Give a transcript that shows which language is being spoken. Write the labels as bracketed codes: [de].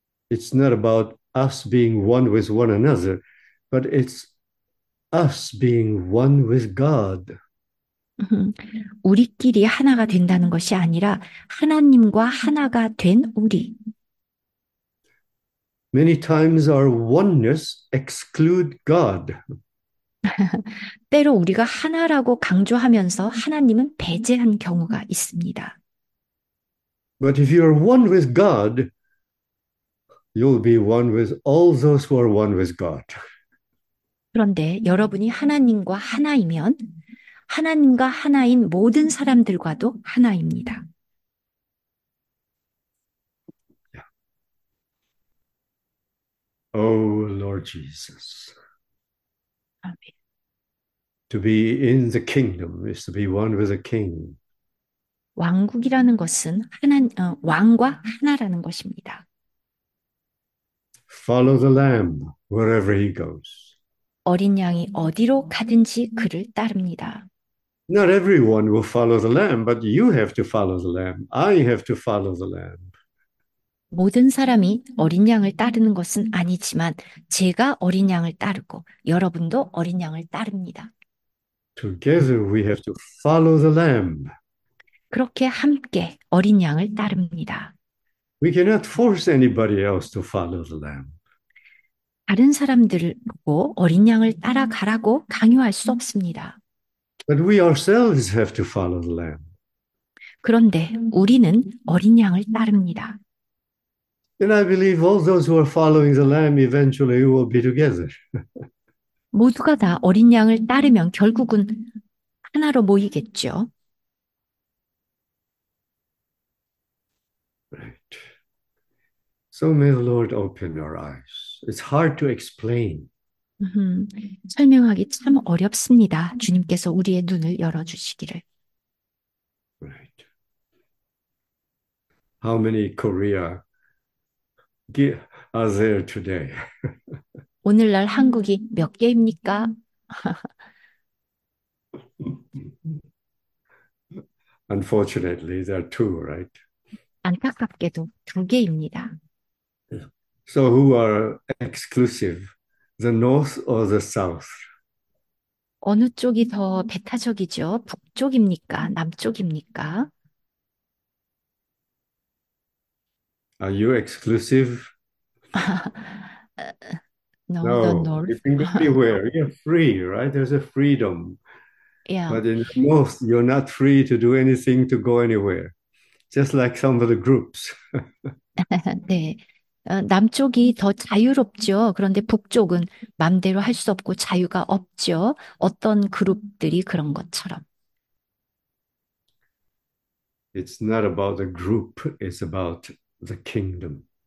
[en] It's not about us being one with one another, but it's us being one with God. [ko] 우리끼리 하나가 된다는 것이 아니라 하나님과 하나가 된 우리. [en] Many times our oneness exclude God. [ko] 때로 우리가 하나라고 강조하면서 하나님은 배제한 경우가 있습니다. [en] But if you are one with God, you'll be one with all those who are one with God. [ko] 그런데 여러분이 하나님과 하나이면 하나님과 하나인 모든 사람들과도 하나입니다. [en] Oh Lord Jesus, to be in the kingdom is to be one with the King. [ko] 왕국이라는 것은 왕과 하나라는 것입니다. [en] Follow the Lamb wherever he goes. [ko] 어린 양이 어디로 가든지 그를 따릅니다. [en] Not everyone will follow the Lamb, but you have to follow the Lamb. I have to follow the Lamb. [ko] 모든 사람이 어린 양을 따르는 것은 아니지만, 제가 어린 양을 따르고, 여러분도 어린 양을 따릅니다. [en] Together we have to follow the Lamb. [ko] 그렇게 함께 어린 양을 따릅니다. [en] We cannot force anybody else to follow the Lamb. [ko] 다른 사람들을 보고 어린 양을 따라가라고 강요할 수 없습니다. [en] But we ourselves have to follow the Lamb. [ko] 그런데 우리는 어린 양을 따릅니다. [en] And I believe all those who are following the Lamb eventually will be together. [ko] 모두가 다 어린 양을 따르면 결국은 하나로 모이겠죠. [en] So may the Lord open our eyes. It's hard to explain. [ko] 설명하기 참 어렵습니다. 주님께서 우리의 눈을 열어주시기를. [en] How many Korea are there today? [ko] 오늘날 한국이 몇 개입니까? [en] Unfortunately, there are two, right? [ko] 안타깝게도 두 개입니다. [en] So who are exclusive, the north or the south? [ko] 어느 쪽이 더 배타적이죠? 북쪽입니까? 남쪽입니까? [en] Are you exclusive? No, the No, north. you can go anywhere. You're free, right? There's a freedom. Yeah. But in the north, you're not free to do anything to go anywhere, just like some of the groups. [ko] 네. 남쪽이 더 자유롭죠. 그런데 북쪽은 마음대로 할수 없고 자유가 없죠. 어떤 그룹들이 그런 것처럼. [en] It's not about the group, it's about the kingdom.